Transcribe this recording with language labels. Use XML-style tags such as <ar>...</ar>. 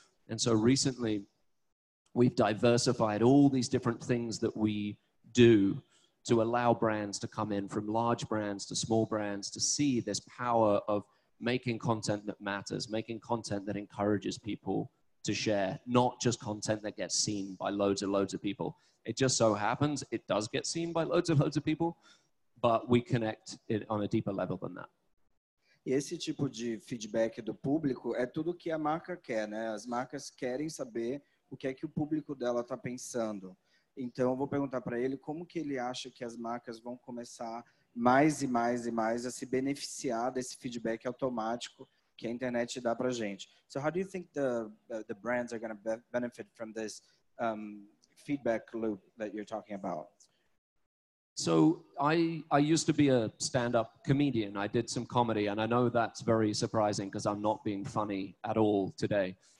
<en>And so recently, we've diversified all these different things that we do to allow brands to come in, from large brands to small brands, to see this power of making content that matters, making content that encourages people to share, not just content that gets seen by loads and loads of people. It just so happens it does get seen by loads and loads of people, but we connect it on a deeper level than that.</en> <pt>E esse tipo de feedback do público é tudo que a marca quer, né? As marcas querem saber o que é que o público dela está pensando. Então, eu vou perguntar para ele como que ele acha que as marcas vão começar mais e mais e mais a se beneficiar desse feedback automático que a internet dá para a gente.</pt> <en>So, how do you think the brands are going to benefit from this feedback loop that you're talking about? So I used to be a stand-up comedian. I did some comedy, and I know that's very surprising because I'm not being funny at all today.</en>